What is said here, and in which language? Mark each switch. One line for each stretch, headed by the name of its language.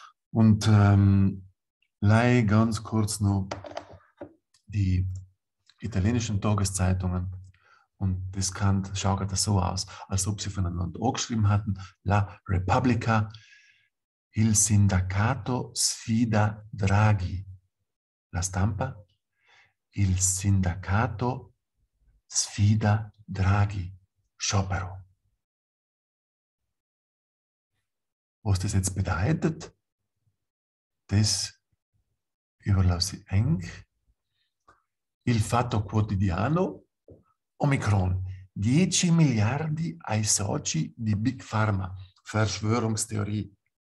German: Und leih ganz kurz noch die italienischen Tageszeitungen und das kann, schaut das so aus, als ob sie voneinander angeschrieben hatten, La Repubblica,
Italian: il sindacato sfida Draghi. La Stampa, il sindacato sfida Draghi. Sciopero.
German: Was das jetzt bedeutet, das überlasse ich eng.
Italian: Il Fatto Quotidiano, Omicron,
German: 10 Milliarden
Italian: ai soci di Big Pharma, Verschwörungstheorie.